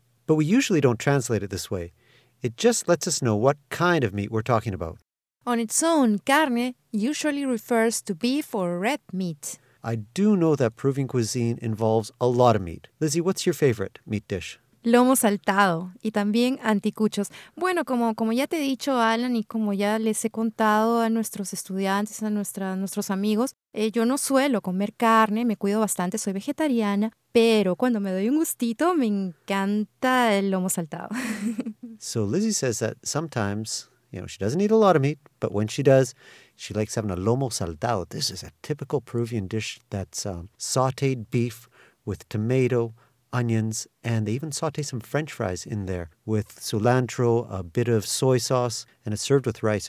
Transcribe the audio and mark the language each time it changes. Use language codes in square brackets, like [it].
[en] But we usually don't translate it this way. It just lets us know what kind of meat we're talking about. On its own, carne usually refers to beef or red meat. I do know that Peruvian cuisine involves a lot of meat. Lizzie, what's your favorite meat dish? [es] Lomo saltado y también anticuchos. Bueno, como ya te he dicho, Alan, y como ya les he contado a nuestros estudiantes, a nuestros amigos, yo no suelo comer carne, me cuido bastante, soy vegetariana, pero cuando me doy un gustito, me encanta el lomo saltado. [en] So Lizzie says that sometimes, you know, she doesn't eat a lot of meat, but when she does, she likes having a lomo saltado. This is a typical Peruvian dish that's sautéed beef with tomato, onions, and they even sauté some French fries in there with cilantro, a bit of soy sauce, and it's served with rice.